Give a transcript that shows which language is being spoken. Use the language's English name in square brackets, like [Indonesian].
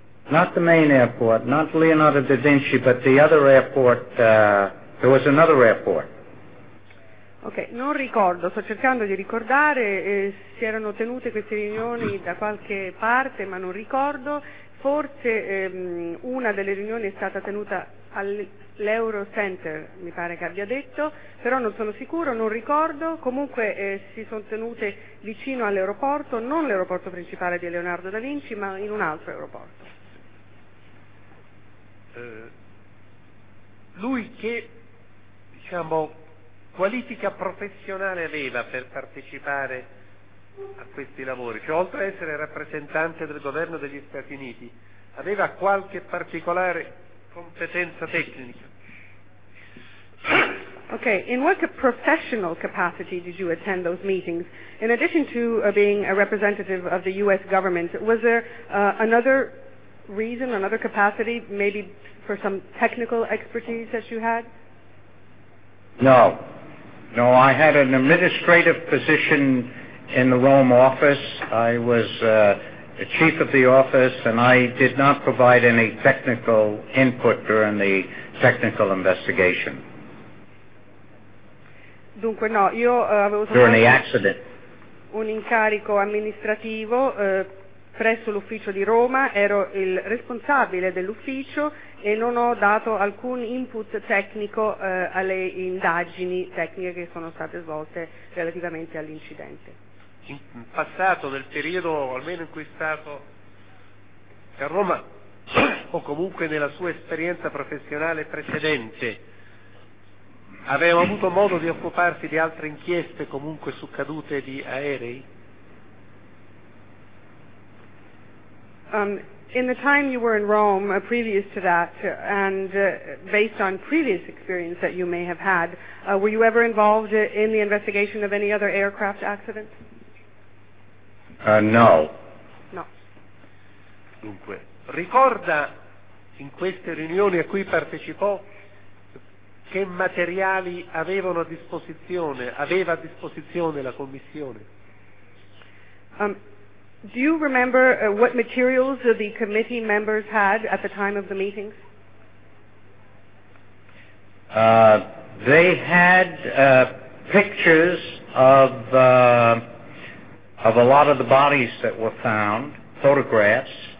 [English] Not the main airport, not Leonardo da Vinci, but the other airport, there was another airport. [Italian] Ok, non ricordo, sto cercando di ricordare, si erano tenute queste riunioni da qualche parte, ma non ricordo, forse una delle riunioni è stata tenuta all'Euro Center, mi pare che abbia detto, però non sono sicuro, non ricordo, comunque si sono tenute vicino all'aeroporto, non l'aeroporto principale di Leonardo da Vinci, ma in un altro aeroporto. Lui che, diciamo, qualifica professionale aveva per partecipare a questi lavori? Cioè, oltre ad essere rappresentante del governo degli Stati Uniti, aveva qualche particolare competenza tecnica? [English] Ok, in what professional capacity did you attend those meetings? In addition to being a representative of the U.S. government, was there another reason, another capacity, maybe for some technical expertise that you had? No. No, I had an administrative position in the Rome office. I was the chief of the office, and I did not provide any technical input during the technical investigation. [Italian] Dunque, no, io avevo [English] during the accident. [Italian] Un incarico amministrativo presso l'ufficio di Roma, ero il responsabile dell'ufficio e non ho dato alcun input tecnico alle indagini tecniche che sono state svolte relativamente all'incidente. In passato, nel periodo almeno in cui è stato a Roma, o comunque nella sua esperienza professionale precedente, aveva avuto modo di occuparsi di altre inchieste comunque su cadute di aerei? [English] In the time you were in Rome, previous to that, and based on previous experience that you may have had, were you ever involved in the investigation of any other aircraft accident? No. No. [Italian] Dunque, ricorda in queste riunioni a cui partecipò che materiali avevano a disposizione, aveva a disposizione la Commissione? [English] Do you remember what materials the committee members had at the time of the meetings? They had pictures of a lot of the bodies that were found, photographs.